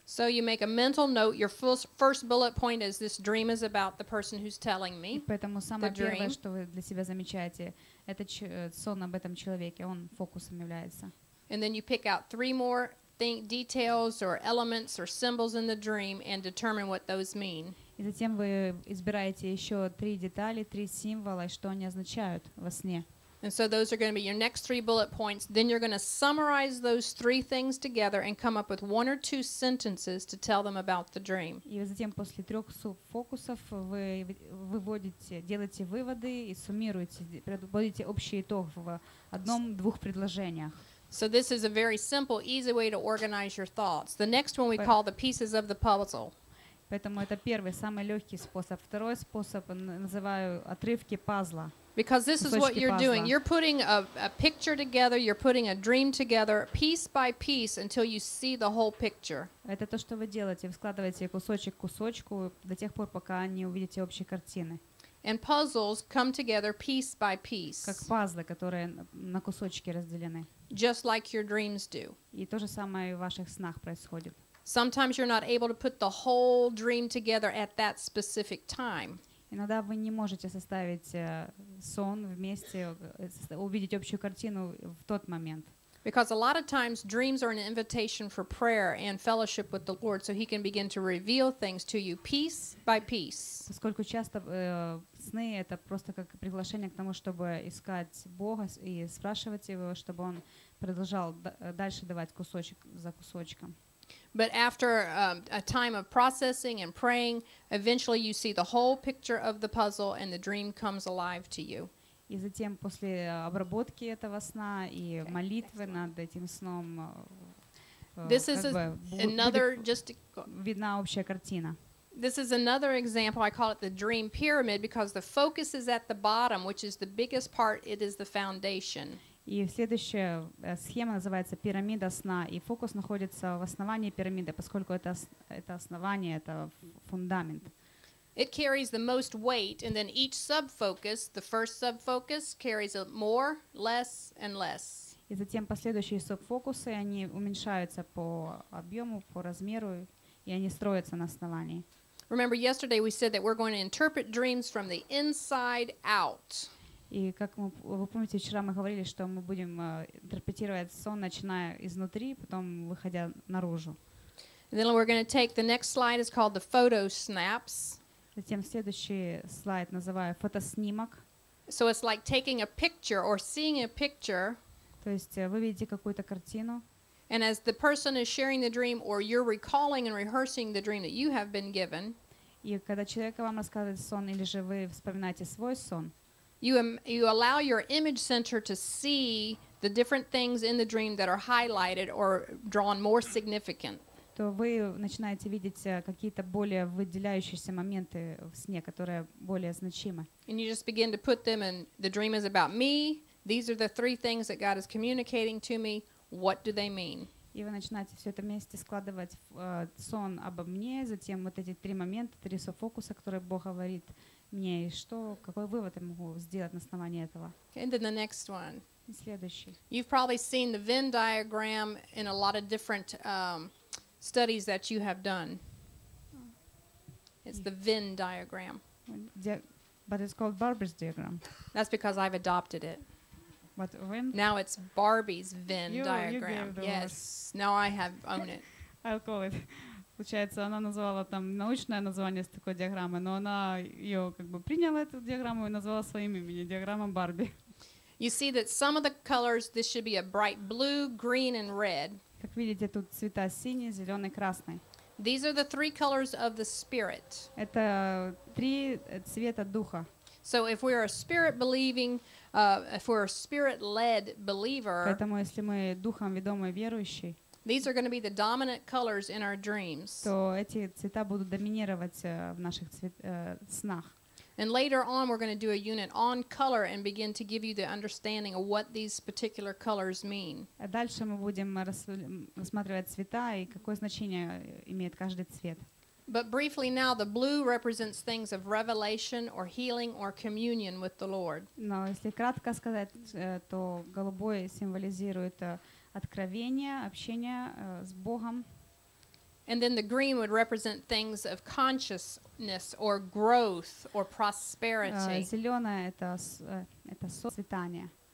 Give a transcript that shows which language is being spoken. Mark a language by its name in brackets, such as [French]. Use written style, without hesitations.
[English] So you make a mental note, your first bullet point is this dream is about the person who's telling me. [Russian] И поэтому самое первое, что вы для себя замечаете, это сон об этом человеке, он фокусом является. [English] And then you pick out three more details or elements or symbols in the dream and determine what those mean. [Russian] И затем вы избираете еще три детали, три символа, что они означают во сне. [English] And so those are going to be your next three bullet points. Then you're going to summarize those three things together and come up with one or two sentences to tell them about the dream. [Russian] И затем после трех субфокусов вы выводите, делаете выводы и суммируете, приводите общий итог в одном-двух предложениях. [English] So this is a very simple, easy way to organize your thoughts. The next one we call the pieces of the puzzle. [Russian] Поэтому это первый, самый легкий способ. Второй способ называю отрывки пазла. [English] Because this is what you're doing. You're putting a picture together, you're putting a dream together, piece by piece, until you see the whole picture. [Russian] Это то, что вы делаете. Вы складываете кусочек к кусочку до тех пор, пока не увидите общей картины. [English] And puzzles come together piece by piece. [Russian] Как пазлы, которые на кусочки разделены. [English] Just like your dreams do. [Russian] И то же самое в ваших снах происходит. [English] Sometimes you're not able to put the whole dream together at that specific time. [Russian] Иногда вы не можете составить сон вместе, увидеть общую картину в тот момент. [English] Because a lot of times dreams are an invitation for prayer and fellowship with the Lord, so He can begin to reveal things to you piece by piece. [Russian] Поскольку часто сны — это просто как приглашение к тому, чтобы искать Бога и спрашивать Его, чтобы Он продолжал дальше давать кусочек за кусочком. [English] But after a time of processing and praying, eventually you see the whole picture of the puzzle and the dream comes alive to you. [Russian] И затем после обработки этого сна и молитвы над этим сном видна общая картина. [English] This is another example, I call it the dream pyramid, because the focus is at the bottom, which is the biggest part, it is the foundation. [Russian] И следующая схема называется пирамида сна, и фокус находится в основании пирамиды, поскольку это основание, это фундамент. [English] It carries the most weight, and then each subfocus, the first subfocus, carries more, less, and less. [Russian] И затем последующие субфокусы, они уменьшаются по объему, по размеру, и они строятся на основании. [English] Remember, yesterday we said that we're going to interpret dreams from the inside out. [Russian] И как вы помните, вчера мы говорили, что мы будем интерпретировать сон, начиная изнутри, потом выходя наружу. [English] And then we're going to take the next slide, is called the photo snaps. [Russian] Затем следующий слайд называю фотоснимок. [English] So it's like taking a picture or seeing a picture. [Russian] То есть вы видите какую-то картину. [English] And as the person is sharing the dream or you're recalling and rehearsing the dream that you have been given. [Russian] И когда человек вам рассказывает сон или же вы вспоминаете свой сон. [English] You allow your image center to see the different things in the dream that are highlighted or drawn more significant. [Russian] То вы начинаете видеть какие-то более выделяющиеся моменты в сне, которые более значимы. [English] And you just begin to put them in, the dream is about me, these are the three things that God is communicating to me, what do they mean? [Russian] И вы начинаете все это вместе складывать в сон обо мне, затем вот эти три момента, три софокуса, которые Бог говорит мне, и что, какой вывод я могу сделать на основании этого. [English] And then the next one. [Russian] И следующий. [English] You've probably seen the Venn diagram in a lot of different studies that you have done. It's the Venn diagram. But it's called Barbara's diagram. That's because I've adopted it. But when? Now it's Barbie's Venn diagram. Yes. Word. Now I have own it. I'll call it. [Russian] Получается, она назвала там научное название с такой диаграммы, но она ее как бы приняла эту диаграмму и назвала своим именем диаграмма Барби. [English] You see that some of the colors, this should be a bright blue, green, and red. [Russian] Как видите, тут цвета синий, зеленый, красный. [English] These are the three colors of the spirit. [Russian] Это три цвета духа. [English] So if we are a spirit believing, if we're a spirit led believer. [Russian] Поэтому если мы духом ведомый верующий. [English] These are going to be the dominant colors in our dreams. [Russian] То эти цвета будут доминировать в наших снах. [English] And later on, we're going to do a unit on color and begin to give you the understanding of what these particular colors mean. [Russian] Дальше мы будем рассматривать цвета и какое значение имеет каждый цвет. [English] But briefly now, the blue represents things of revelation or healing or communion with the Lord. [Russian] Но если кратко сказать, то голубой символизирует откровение, общение с Богом. [English] And then the green would represent things of consciousness or growth or prosperity. [Russian] Зеленое это процветание.